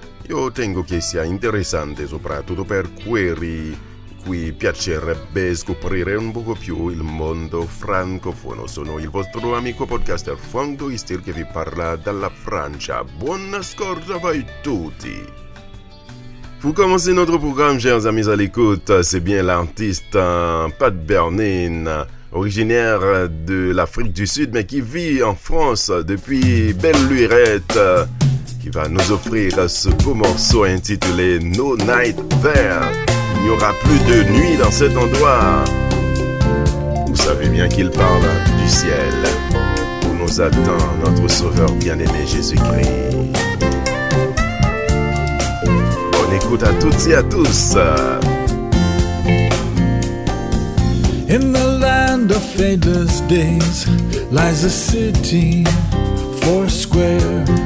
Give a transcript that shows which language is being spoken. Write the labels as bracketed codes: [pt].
[it] Io tengo che sia interessante soprattutto per quelli cui piacerebbe scoprire un poco più il mondo francofono. Sono il vostro amico podcaster Franck Douristil che vi parla dalla Francia. Buon ascolto a voi tutti! [fr] Pour commencer notre programme, chers amis à l'écoute, c'est bien l'artiste Pat Bernin, originaire de l'Afrique du Sud mais qui vit en France depuis belle lurette, qui va nous offrir ce beau morceau intitulé « No Night There ». Il n'y aura plus de nuit dans cet endroit. Vous savez bien qu'il parle du ciel où nous attend notre Sauveur bien-aimé Jésus-Christ. Bonne écoute à toutes et à tous. [en] In the land of fadeless days lies a city four square.